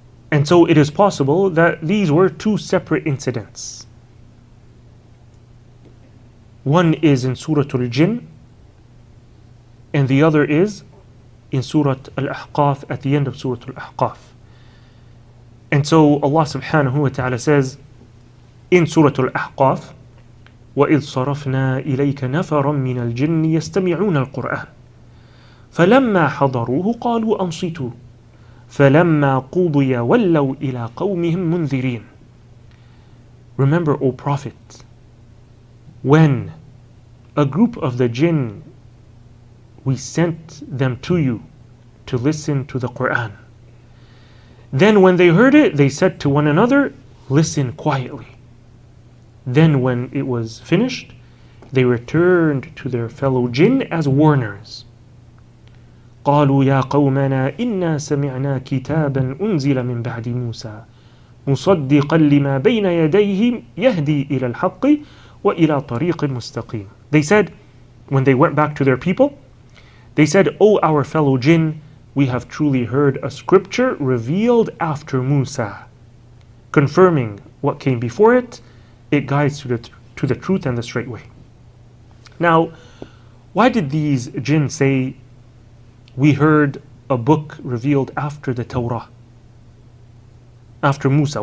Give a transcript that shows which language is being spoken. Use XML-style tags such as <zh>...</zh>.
<en>And so it is possible that these were two separate incidents. One is in Surah Al-Jinn, and the other is in Surah Al-Ahqaf, at the end of Surah Al-Ahqaf. And so Allah subhanahu wa ta'ala says in Surah Al-Ahqaf,</en> <ar>وَإِذْ صَرَفْنَا إِلَيْكَ نَفَرًا مِّنَ الْجِنِّ يَسْتَمِعُونَ الْقُرْآنِ فَلَمَّا حَضَرُوهُ قَالُوا أَنْصِتُوا فَلَمَّا قُضِيَ وَلَّوْا إِلَىٰ قَوْمِهِمْ مُنذِرِينَ.</ar> <en>Remember, O Prophet, when a group of the jinn, we sent them to you to listen to the Qur'an. Then when they heard it, they said to one another, listen quietly. Then when it was finished, they returned to their fellow jinn as warners.</en> <ar>قالوا يا قومنا إنا سمعنا كتابا أنزل من بعد موسى مصدقا لما بين يديهم يهدي إلى الحق وإلى طريق مستقيم.</ar> <en>They said, when they went back to their people, they said, O our fellow jinn, we have truly heard a scripture revealed after Musa, confirming what came before it. It guides to the truth and the straight way. Now, why did these jinn say, we heard a book revealed after the Torah, after Musa?</en>